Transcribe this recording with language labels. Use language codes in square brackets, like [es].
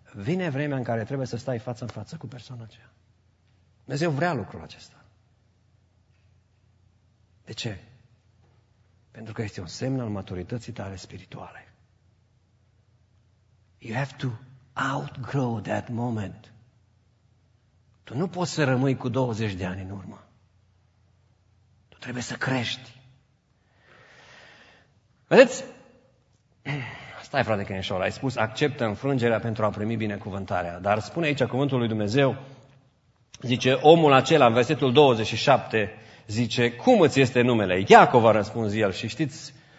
[ro] Vine vremea în care trebuie să stai față în față cu persoana aceea. Dumnezeu vrea lucrul acesta. De ce? Pentru că este un semn al maturității tale spirituale. [en] You have to outgrow that moment. [ro] Tu nu poți să rămâi cu 20 de ani în urmă. Tu trebuie să crești. Vedeți? Stai, frate Căneșor, ai spus, acceptă înfrângerea pentru a primi binecuvântarea. Dar spune aici cuvântul lui Dumnezeu, zice, omul acela, în versetul 27, zice, cum îți este numele? Iacov, a răspuns el. Și știți,